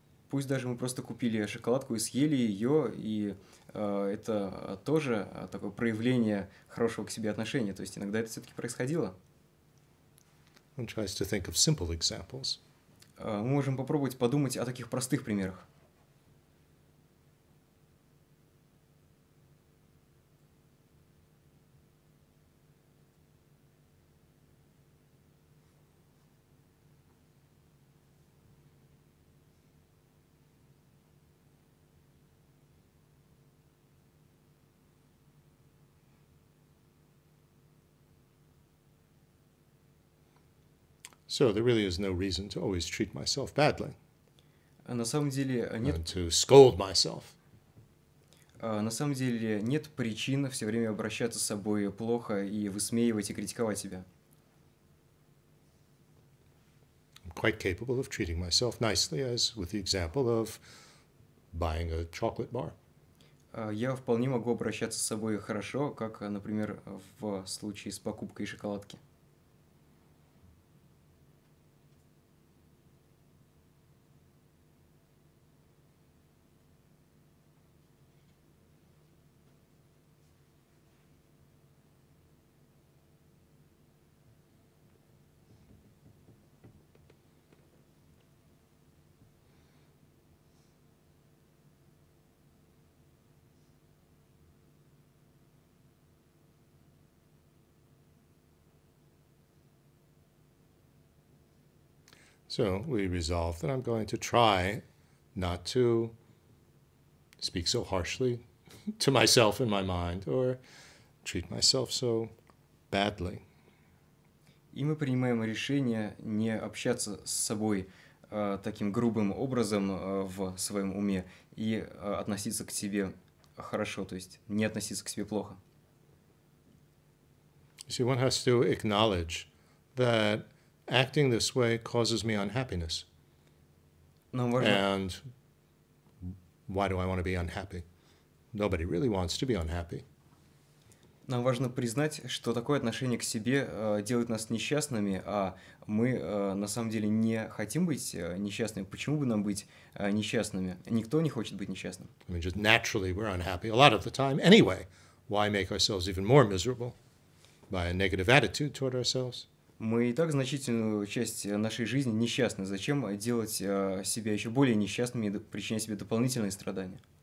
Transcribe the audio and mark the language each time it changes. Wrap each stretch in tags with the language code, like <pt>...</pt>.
<ru>Пусть даже мы просто купили шоколадку и съели ее, и это тоже такое проявление хорошего к себе отношения. То есть иногда это все-таки происходило.</ru> <en>One tries to think of simple examples.</en> <ru>Мы можем попробовать подумать о таких простых примерах.</ru> <en>So there really is no reason to always treat myself badly.</en> <ru>На самом деле нет.</ru> <en>And to scold myself.</en> <ru>На самом деле нет причин все время обращаться с собой плохо и высмеивать и критиковать себя.</ru> <en>I'm quite capable of treating myself nicely, as with the example of buying a chocolate bar.</en> <ru>Я вполне могу обращаться с собой хорошо, как, например, в случае с покупкой шоколадки.</ru> <en>So we resolve that I'm going to try not to speak so harshly to myself in my mind or treat myself so badly.</en> <ru>И мы принимаем решение не общаться с собой таким грубым образом в своем уме и относиться к себе хорошо, то есть не относиться к себе плохо.</ru> <en>See, one has to acknowledge that acting this way causes me unhappiness.</en> <ru>Нам важно.</ru> <en>And why do I want to be unhappy? Nobody really wants to be unhappy.</en> <ru>Нам важно признать, что такое отношение к себе делает нас несчастными, а мы на самом деле не хотим быть несчастными. Почему бы нам быть несчастными? Никто не хочет быть несчастным.</ru> <en>I mean, just naturally we're unhappy a lot of the time. Anyway, why make ourselves even more miserable by a negative attitude toward ourselves?</en> <ru>Мы и так значительную часть нашей жизни несчастны. Зачем делать себя еще более несчастными и причинять себе дополнительные страдания?</ru>